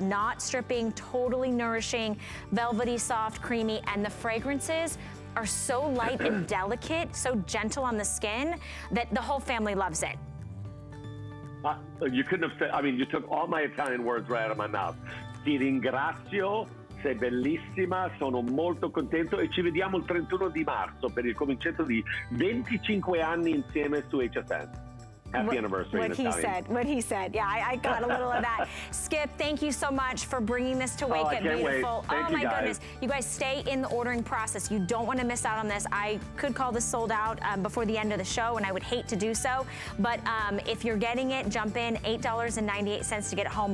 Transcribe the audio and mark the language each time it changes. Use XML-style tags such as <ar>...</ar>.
<en>Not stripping, totally nourishing, velvety, soft, creamy, and the fragrances are so light and delicate, so gentle on the skin that the whole family loves it. You couldn't have said, I mean, you took all my Italian words right out of my mouth.</en> <it>Ti ringrazio. Sei bellissima, sono molto contento e ci vediamo il 31 di marzo per il cominciato di 25 anni insieme su HSN.</it> <en>Happy anniversary. What he said. Yeah, I got a little of that. Skip, thank you so much for bringing this to Wake Up Beautiful. Thank you, my guys. Goodness. You guys stay in the ordering process. You don't want to miss out on this. I could call this sold out before the end of the show, and I would hate to do so. But if you're getting it, jump in. $8.98 to get home.</en>